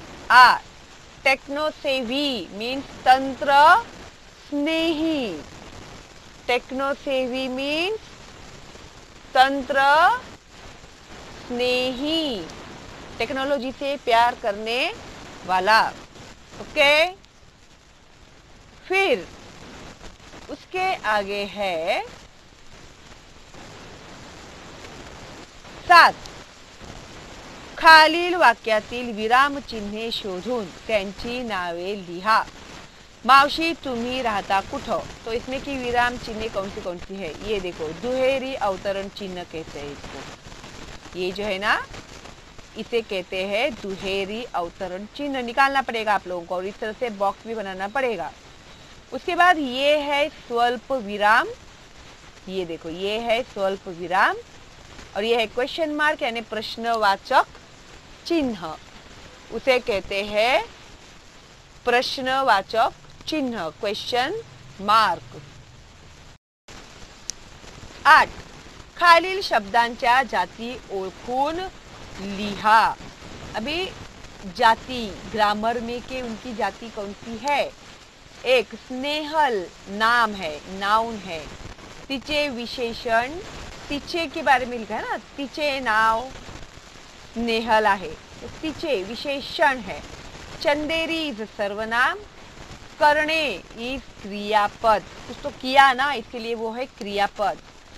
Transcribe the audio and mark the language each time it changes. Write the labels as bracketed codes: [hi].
[hi] आ, tech-savvy means तंत्र स्नेही, tech-savvy means तंत्र स्नेही, technology से प्यार करने वाला। ओके, फिर उसके आगे है सात, [mr] खालील वाक्यातील विराम चिन्हे शोधून त्यांची नावे लिहा। मावशी तुम्ही राहता कुठ, [hi] तो इसमें की विराम चिन्हे कौन सी है, ये देखो दुहेरी अवतरण चिन्ह कहते हैं इसको, ये जो है ना इसे कहते हैं दुहेरी अवतरण चिन्ह, निकालना पड़ेगा आप लोगों को और इस तरह से बॉक्स भी बनाना पड़ेगा। उसके बाद ये है स्वल्प विराम, ये देखो ये है स्वल्प विराम और ये है क्वेश्चन मार्क यानी प्रश्नवाचक चिन्ह, उसे कहते हैं प्रश्नवाचक चिन्ह, क्वेश्चन मार्क। [mr] आठ, खालील शब्दांच्या जाती ओळखून लिहा। [hi] अभी जाति ग्रामर में के उनकी जाति कौन सी है, एक स्नेहल नाम है, नाउन है, तिचे विशेषण, तिचे के बारे में लिखा है ना, तिचे नाव स्नेहल है, तिचे विशेषण है, चंदेरी इज सर्वनाम, करणे इज क्रियापद, कुछ तो किया ना इसलिए वो है क्रियापद।